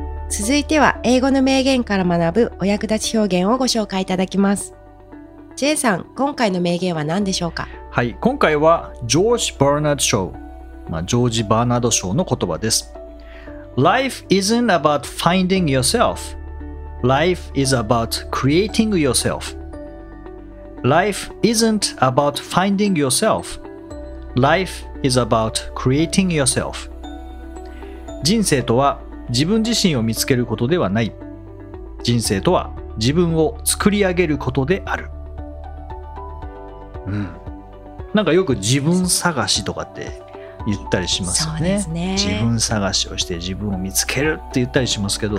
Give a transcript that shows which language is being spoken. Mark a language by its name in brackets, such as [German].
[Japanese] 続いては英語の名言から学ぶお役立ち表現をご紹介いただきます。 J さん、今回の名言は何でしょうか。はい、今回はジョージ・バーナード・ショー、まあ、ジョージ・バーナード・ショーの言葉です。 [English] Life isn't about finding yourself. Life is about creating yourselfLife isn't about finding yourself. Life is about creating yourself. [Japanese] 人生とは自分自身を見つけることではない。人生とは自分を作り上げることである。うん。なんかよく自分探しとかって言ったりしますよね。そうですね。自分探しをして自分を見つけるって言ったりしますけど。